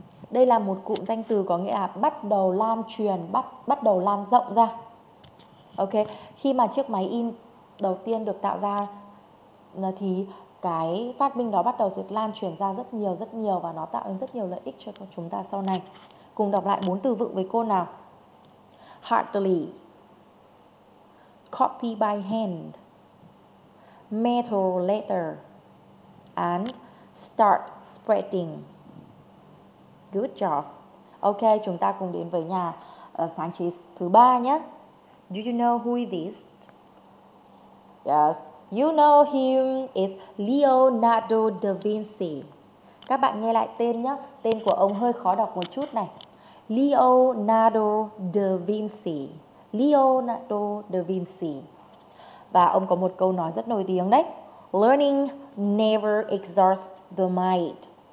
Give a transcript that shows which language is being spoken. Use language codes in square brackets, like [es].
[vi] Đây là một cụm danh từ có nghĩa là bắt đầu lan truyền, bắt đầu lan rộng ra. Ok, khi mà chiếc máy in đầu tiên được tạo ra thì cái phát minh đó bắt đầu được lan truyền ra rất nhiều và nó tạo ra rất nhiều lợi ích cho chúng ta sau này. Cùng đọc lại bốn từ vựng với cô nào. [en] Heartily, copy by hand, metal letter, and start spreading. Good job. [vi] Ok, chúng ta cùng đến với nhà sáng chế thứ ba nhé. [en] Do you know who it is? Yes, you know him. It's Leonardo da Vinci. [vi] Các bạn nghe lại tên nhé. Tên của ông hơi khó đọc một chút này. Leonardo da Vinci. Leonardo da Vinci. Và ông có một câu nói rất nổi tiếng đấy. [en] Learning never exhausts the mind.